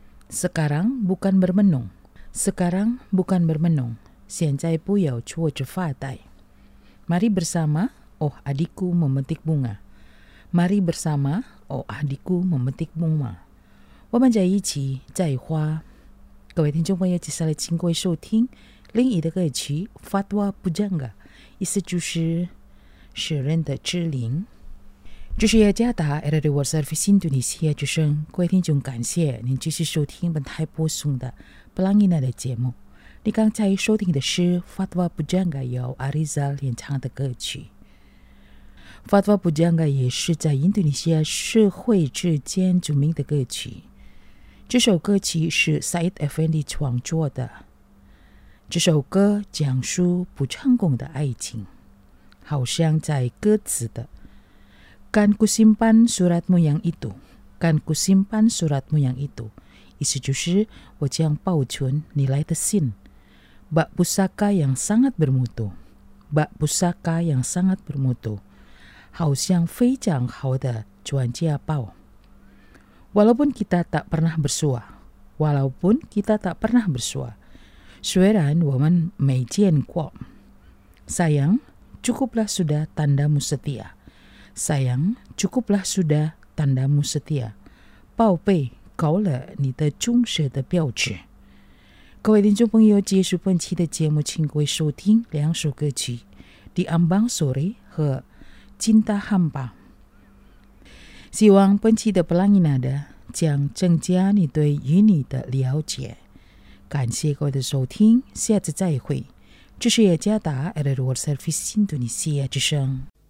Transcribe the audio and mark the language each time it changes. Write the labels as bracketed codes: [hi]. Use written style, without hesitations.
[id] Sekarang bukan bermenung， Sekarang bukan bermenung， [zh] 现在不要坐着发呆。 [id] Mari bersama oh adikku memetik bunga， Mari bersama oh adikku memetik bunga， [zh] 我们在一起摘花。各位听众朋友，接下来请各位收听另一个歌曲 Fatwa Pujangga， 意思就是诗人的指令。这是雅加达 Air World Service Indonesia 之声，各位听众感谢您继续收听本台播送的 Pelangina 的节目。你刚才收听的是 Fatwa Pujangga 由 Arizal 演唱的歌曲。 Fatwa Pujangga 也是在印度尼西亚社会之间著名的歌曲，这首歌曲是 Said Effendi 创作的。这首歌讲述不成功的爱情，好像在歌词的 [id] Kan ku simpan suratmu yang itu， [zh] Kan ku simpan suratmu yang itu， 意思就是我将保存你来的信。 [id] Bak pusaka yang sangat bermutu， Bak pusaka yang sangat bermutu， [zh] 好像非常好的钻戒包。 [id] Walaupun kita tak pernah bersua， Walaupun kita tak pernah bersua， [zh] 虽然我们没见过。 [id] Sayang cukuplah sudah tandamu setia， Sayang cukuplah sudah tandamu setia， [zh] 宝贝够了你的忠实的标志。各位听众朋友，结束本期的节目，请各位收听两首歌曲 Di Ambang Sore 和 Cinta Hampa。希望本期的 Pelangi Nada 将增加你对于你的了解。感谢各位的收听，下次再会。这是雅加达 Air World Service Indonesia 之声。